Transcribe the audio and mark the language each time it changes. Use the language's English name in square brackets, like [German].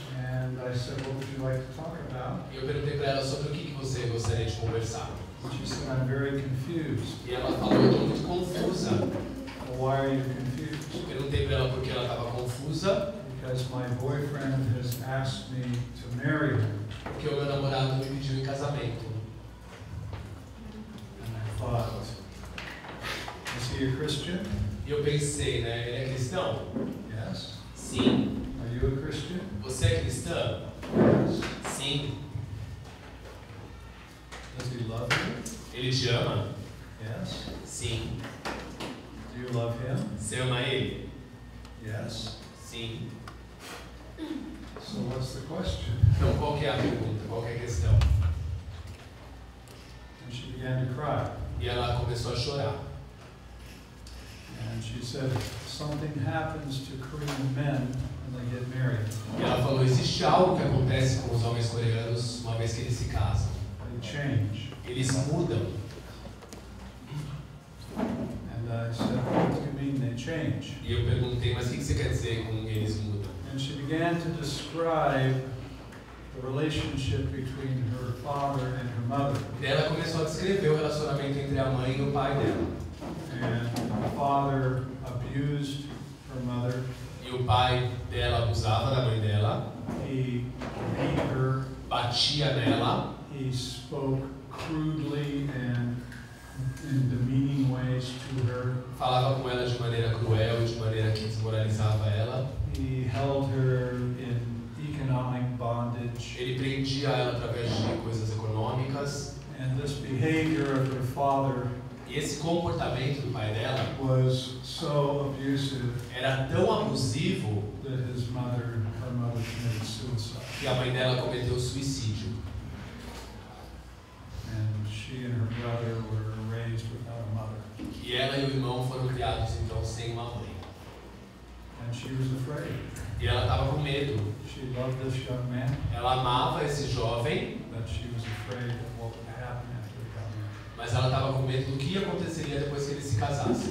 [English] And I said, what would you like to talk about? [Portuguese] E eu perguntei para ela sobre o que você gostaria de conversar. [English] She said, I'm very confused. [Portuguese] E ela falou, estou muito confusa. [English] Why are you confused? [Portuguese] Eu perguntei para ela porque ela estava confusa. [English] Because my boyfriend has asked me to marry her. [Portuguese] Porque o meu namorado me pediu em casamento. [English] But, is he a Christian? [Portuguese] Eu pensei, né? Ele é cristão? [English] Yes. [Portuguese] Sim. [English] Are you a Christian? [Portuguese] Você é cristã? [English] Yes. [Portuguese] Sim. [English] Does he love you? [Portuguese] Ele te ama? [English] Yes. [Portuguese] Sim. [English] Do you love him? [Portuguese] Você ama ele? [English] Yes. [Portuguese] Sim. [English] So what's the question? [Portuguese] Então qual que é a pergunta? Qual que é a questão? [English] And she began to cry. [Portuguese] E ela começou a chorar. [English] And she said, something happens to Korean men when they get married. [Portuguese] E ela falou, existe algo que acontece com os homens coreanos uma vez que eles se casam. [English] They change. [Portuguese] Eles mudam. [English] And I said, what do you mean they change? [Portuguese] E eu perguntei, mas o que você quer dizer com eles mudam? [English] And she began to describe the relationship between her father and her mother. [Portuguese] Ela começou a descrever o relacionamento entre a mãe e o pai dela. [English] And the father abused her mother. [Portuguese] E o pai dela abusava da mãe dela. [English] He beat her. [Portuguese] Batia nela. [English] He spoke crudely and in demeaning ways to her. [Portuguese] Falava com ela de maneira cruel, de maneira que desmoralizava ela. [English] He held her in economic bondage. [Portuguese] Ele prendia ela através de coisas econômicas. [English] And this behavior of her father. [Portuguese] E esse comportamento do pai dela [English] was so abusive. [Portuguese] Era tão abusivo [English] that his mother, her mother committed suicide. [Portuguese] Que a mãe dela cometeu suicídio. [English] And she and her brother were raised without a mother. [Portuguese] E ela e o irmão foram criados então sem uma mãe. [English] And she was afraid. [Portuguese] E ela estava com medo. [English] She loved this young man. [Portuguese] Ela amava esse jovem. [English] But she was afraid of what would happen after he got married. [Portuguese] Mas ela estava com medo do que aconteceria depois que ele se casasse.